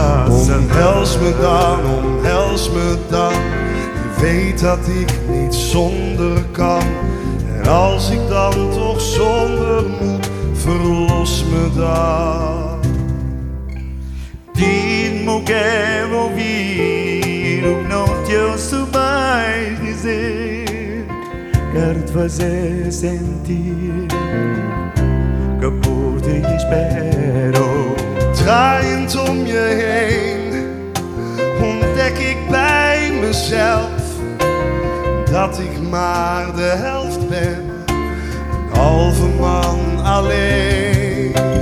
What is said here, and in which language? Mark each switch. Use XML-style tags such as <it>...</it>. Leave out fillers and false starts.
<nl>Omhels me dan, omhels me dan. Je weet dat ik niet zonder kan. En als ik dan toch zonder moet, verlos me dan. Dit moet ik hem ouvir.</nl> <pt>O que não te ouço mais dizer. Quero te fazer sentir que por ti espero.</pt> <nl>Draaiend om je heen ontdek ik bij mezelf dat ik maar de helft ben, een halve man alleen.</nl>